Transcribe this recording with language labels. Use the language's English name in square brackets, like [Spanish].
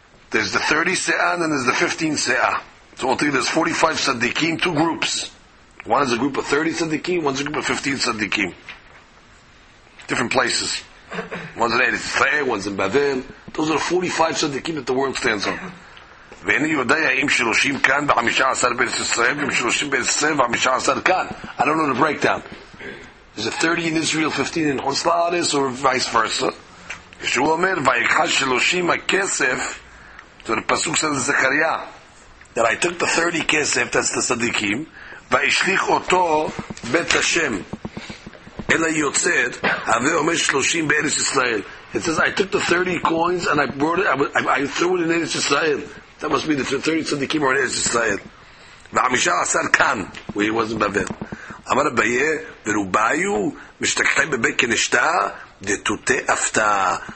[English] There's the 30 se'ah and then there's the 15 se'ah. So I'll tell you, there's 45 sadikim, two groups. One is a group of 30 sadikim, one's a group of 15 sadikim. Different places. One's in Eretz Yisrael, one's in Bavel. Those are the 45 sadikim that the world stands on. [Hebrew] ואיני יודע האם 30 כאן וחמישה עשר בארץ ישראל ואם 30 בארץ ישראל וחמישה עשר כאן. [English] I don't know the breakdown. Is it 30 in Israel, 15 in חוץ לארץ, or vice versa? [Hebrew] כשהוא אומר, ויקח 30 הכסף, זה פסוק של זכריה. [English] That I took the 30 [Hebrew] כסף, [English] that's the [Hebrew] צדיקים, והשליך אותו בית השם. אלא יוצאת, הווה אומר 30 בארץ ישראל. [English] It says, I took the 30 coins and I brought it, I threw it in Eretz Yisrael. That must mean the 30 tzaddikim are in Eretz Yisrael. [Hebrew] V'amishal asar kan, [English] where he was in Bavel. [Aramaic] Amar abaye, v'rubayu, mishtakhtay bebek kenishta, detute afta.